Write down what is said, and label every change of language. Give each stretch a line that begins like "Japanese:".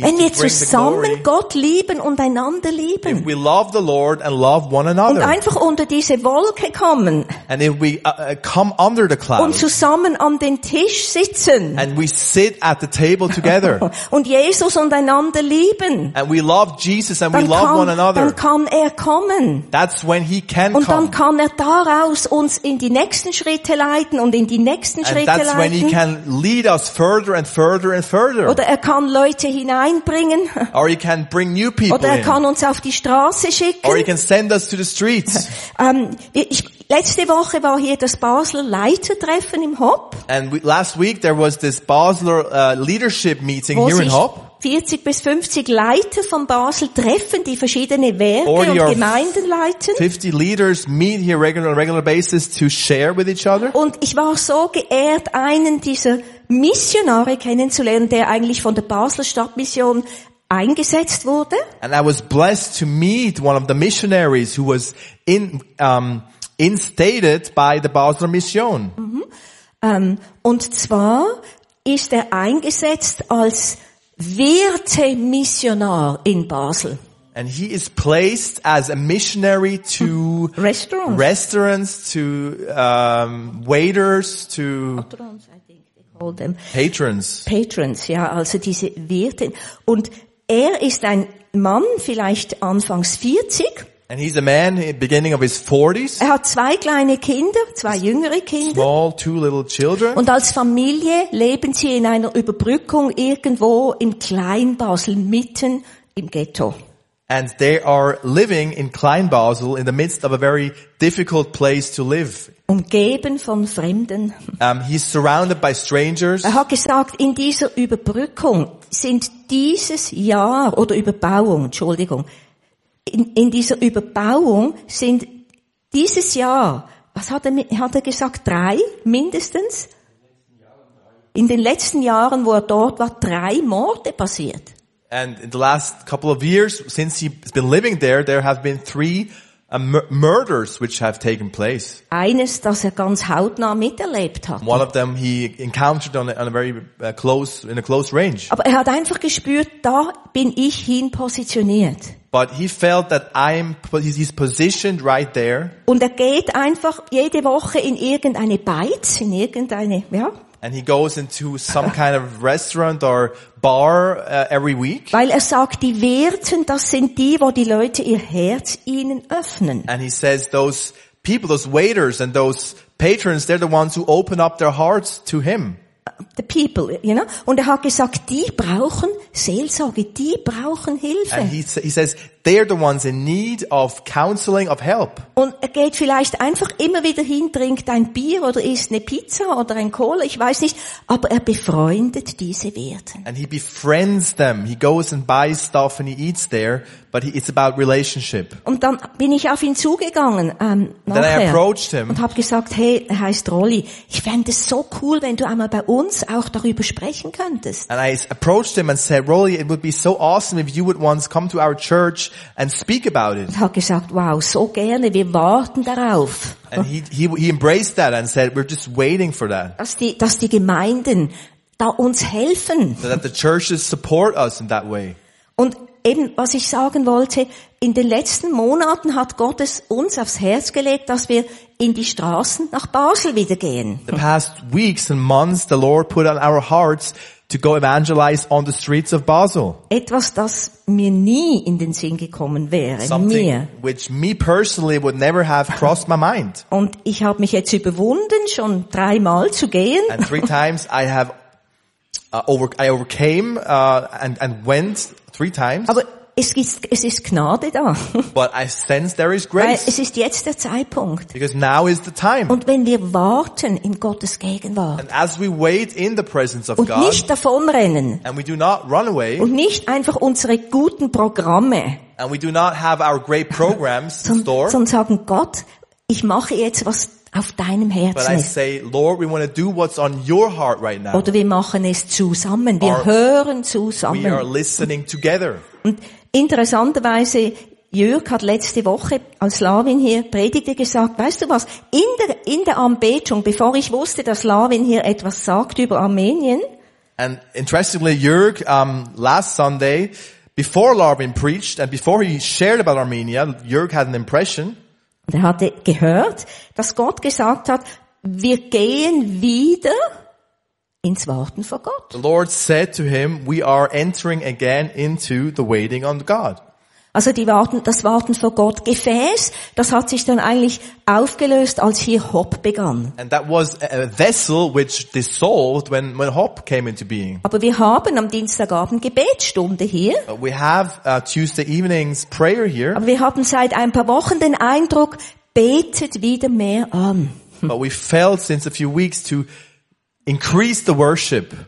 German: Wenn wir zusammen Gott lieben und einander lieben.
English: If we love the Lord and love one another.
German: Und einfach unter diese Wolke kommen.
English: And if we come under the clouds.
German: Und zusammen an den Tisch sitzen.
English: And we sit at the table together.
German: Und Jesus und einander lieben.
English: And we love Jesus and we love one another.
German: Dann kann er kommen.
English: That's when he can come.
German: Und dann kann er daraus uns in die nächsten Schritte leiten und in die nächsten Schritte leiten.
English: And that's when he can lead us further and further and further.
German: Oder er kann Leute hineinbringen.
English: Or he can bring new people.
German: Oder er kann uns auf die Straße schicken.
English: Or he can send us to the streets.
German: Letzte Woche war hier das Basler Leitertreffen im HOP.
English: And last week there was this Basler leadership meeting here in HOP.
German: 40 bis 50 Leiter von Basel treffen, die verschiedene Werke und Gemeinden leiten.
English: 50 leaders meet here regularly on a regular basis to share with each other.
German: Und ich war so geehrt, einen dieser Missionare kennenzulernen, der eigentlich von der Basler Stadtmission eingesetzt wurde.
English: And I was blessed to meet one of the missionaries who was instated by the Basler Mission.
German: Und zwar ist er eingesetzt als Wirte-Missionar in Basel.
English: And he is placed as a missionary to restaurants, to waiters, to patrons, I think they call them. Patrons.
German: Patrons, ja, also diese Wirte. Und er ist ein Mann, vielleicht anfangs 40.
English: And he's a man in the beginning of his 40s.
German: Er hat zwei kleine Kinder, zwei jüngere Kinder.
English: Small, two little children.
German: Und als Familie leben sie in einer Überbrückung irgendwo in Kleinbasel, mitten im Ghetto.
English: And they are living in Klein Basel in the midst of a very difficult place to live.
German: Umgeben von Fremden.
English: He's surrounded by strangers.
German: Er hat gesagt, in dieser Überbrückung sind dieses Jahr oder Überbauung, Entschuldigung, in dieser Überbauung sind dieses Jahr, was hat er gesagt, drei mindestens? In den letzten Jahren, wo er dort war, drei Morde passiert.
English: And in the last couple of years, since he's been living there, there have been three murders which have taken place.
German: Eines, das er ganz hautnah miterlebt hat.
English: One of them he encountered in a close range.
German: Aber er hat einfach gespürt, da bin ich hin positioniert.
English: But he felt that he's positioned right there.
German: Und er geht einfach jede Woche in irgendeine Beiz, in irgendeine, ja.
English: And he goes into some kind of restaurant or bar every week.
German: Weil er sagt, die Wirten, das sind die, wo die Leute ihr Herz ihnen öffnen.
English: And he says those people, those waiters and those patrons, they're the ones who open up their hearts to him. The people, you know.
German: Und er hat gesagt, die brauchen Seelsorge, die brauchen Hilfe.
English: And he says they're the ones in need of counseling, of help.
German: Und er geht vielleicht einfach immer wieder hin, trinkt ein Bier oder isst eine Pizza oder ein Cola, ich weiß nicht, aber er befreundet diese Wirten.
English: And he befriends them. He goes and buys stuff and he eats there, but it's about relationship.
German: Und dann bin ich auf ihn zugegangen,
English: then I approached him.
German: Und habe gesagt, hey, er heißt Rolly, ich fände es so cool, wenn du einmal bei uns auch darüber sprechen könntest.
English: And I approached him and said, Rolly, it would be so awesome if you would once come to our church and speak about it.
German: Er hat gesagt, wow, so gerne, wir warten darauf.
English: And he embraced that and said, we're just waiting for that.
German: Dass die Gemeinden da uns helfen.
English: So that the churches support us in that way.
German: Und eben, was ich sagen wollte, in den letzten Monaten hat Gott es uns aufs Herz gelegt, dass wir in die Straßen nach Basel wieder gehen.
English: The past weeks and months, the Lord put on our hearts to go evangelize on the streets of Basel.
German: Etwas, das mir nie in den Sinn gekommen wäre.
English: Something
German: mir.
English: Which me personally would never have crossed my mind.
German: Und ich habe mich jetzt überwunden, schon dreimal zu gehen.
English: And three times I overcame and went three times.
German: Aber es ist Gnade da.
English: But I sense there is grace.
German: Weil es ist jetzt der Zeitpunkt.
English: Because now is the time.
German: Und wenn wir warten in Gottes Gegenwart.
English: And as we wait in the presence of
German: und
English: God.
German: Und nicht davonrennen.
English: And we do not run away.
German: Und nicht einfach unsere guten Programme.
English: And we do not have our great programs in store.
German: Sondern sagen, Gott, ich mache jetzt was auf deinem Herzen.
English: But I say, Lord, we want to do what's on your heart right now.
German: Oder wir machen es zusammen. Wir hören zusammen.
English: We are listening together.
German: Und interessanterweise, Jörg hat letzte Woche, als Lavin hier predigte, gesagt, weißt du was, in der Anbetung, bevor ich wusste, dass Lavin hier etwas sagt über Armenien.
English: And interestingly, Jörg, last Sunday, before Lavin preached and before he shared about Armenia, Jörg had an impression.
German: Er hatte gehört, dass Gott gesagt hat, wir gehen wieder ins Warten vor Gott.
English: The Lord said to him, we are entering again into the waiting on God.
German: Also das Warten vor Gott Gefäß, das hat sich dann eigentlich aufgelöst, als hier Hop begann.
English: And that was a vessel which dissolved when Hop came into being.
German: Aber wir haben am Dienstagabend Gebetsstunde hier.
English: But we have Tuesday evenings prayer here.
German: Aber wir haben seit ein paar Wochen den Eindruck, betet wieder mehr an.
English: But we felt since a few weeks to increase the worship.